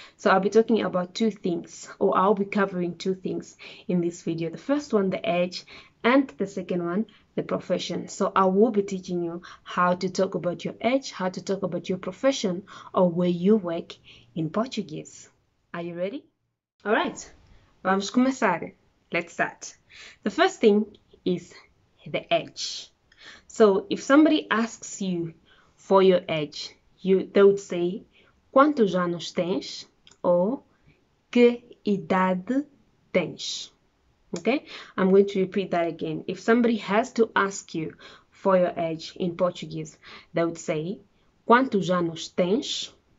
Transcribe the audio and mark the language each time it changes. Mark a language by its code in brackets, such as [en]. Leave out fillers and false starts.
[en] So I'll be talking about two things, or I'll be covering two things in this video. The first one, the edge, and the second one, the profession. So I will be teaching you how to talk about your age, how to talk about your profession or where you work in Portuguese. Are you ready? All right, [pt] vamos começar. [en] Let's start. The first thing is the age. So if somebody asks you for your age, they would say, [pt] quantos anos tens? [en] Or [pt] que idade tens? [en] Okay, I'm going to repeat that again. If somebody has to ask you for your age in Portuguese, they would say, [pt] quantos anos tens?